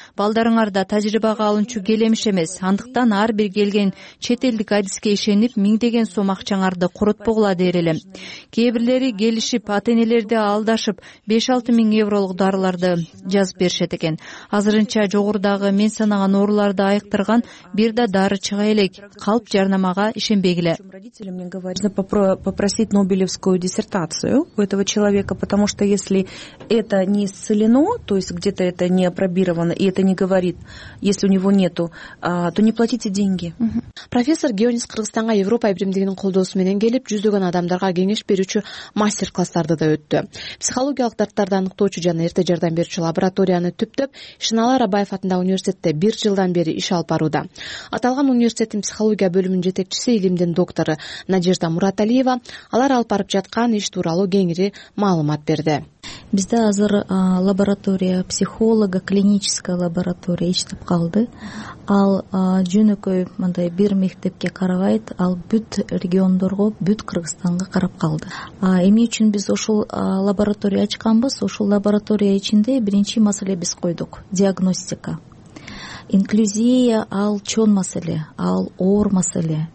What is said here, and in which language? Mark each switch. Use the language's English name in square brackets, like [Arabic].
[Kyrgyz] Балдарыңар да тажрыйбага алынчу келемиш эмес. Андыктан ар бир келген чет элдик адиске ишенип, миңдеген сом акчаңарды коротпогула дер элем. Кээ бирлери келишип, ата-энелерди алдашып, 5-6 миң евролук дарыларды жазып беришет экен. Азырынча жогорудагы мен санаган ооруларды айыктырган бир да дары чыга элек. Калп жарнамага ишенбегиле. [Russian] Попросить Нобелевскую диссертацию у этого человека, потому что если это не исцелено, то есть где-то это не апробировано, и это не говорит, если у него нету, то не платите деньги. [Kyrgyz] Профессор Гионис Кыргызстанга Европа биримдигинин колдоосу менен келип, жүздөгөн адамдарга кеңеш берүүчү мастер-класстарды да өттү. Психологиялык дарттарды аныктоочу жана эрте жардам берүүчү лабораторияны түптөп, Шыналы Арабаев атындагы университетте бир жылдан бери иш алып барууда. Аталган университеттин психология бөлүмүнүн жетекчиси, илимдин доктору Надежда Мураталиева алар алып барып жаткан иш тууралуу кеңири маалымат берди. Бизде азыр [Russian] лаборатория психолога, клиническая лаборатория [Kyrgyz] иштеп калды. Ал жөнөкөй мындай бир мектепке карабайт, ал бүт региондорго, бүт Кыргызстанга карап калды. Эмне үчүн биз ошол лабораторию ачканбыз? Ошол лаборатория ичинде биринчи маселе биз койдук диагностика. Инклюзия ал чоң маселе, ал оор маселе.